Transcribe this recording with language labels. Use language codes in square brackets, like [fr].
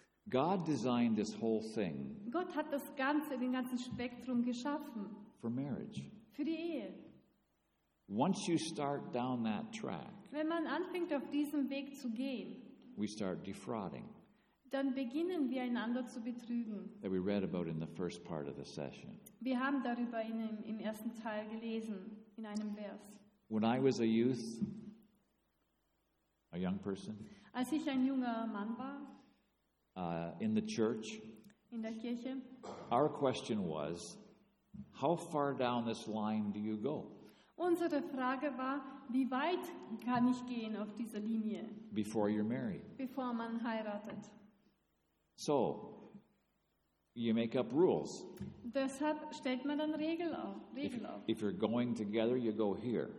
[en] God designed this whole thing. [de] Gott hat das Ganze, den ganzen Spektrum geschaffen. [en] For marriage. [de] Für die Ehe. [en] Once you start down that track, [de] wenn man anfängt, auf diesem Weg zu gehen, [en] we start defrauding. [de] Dann beginnen wir einander zu betrügen. [en] That we read about in the first part of the session. [de] Wir haben darüber im ersten Teil gelesen, in einem Vers. [en] When I was a youth, a young person, [de] als ich ein junger Mann war, [en] in the church, [de] in der Kirche, [en] our question was, how far down this line do you go? [de] Unsere Frage war, wie weit kann ich gehen auf dieser Linie? [en] Before you're married. [de] Bevor man heiratet. [en] So, you make up rules. [de] Deshalb stellt man dann Regeln auf. [en] If you're going together, you go here.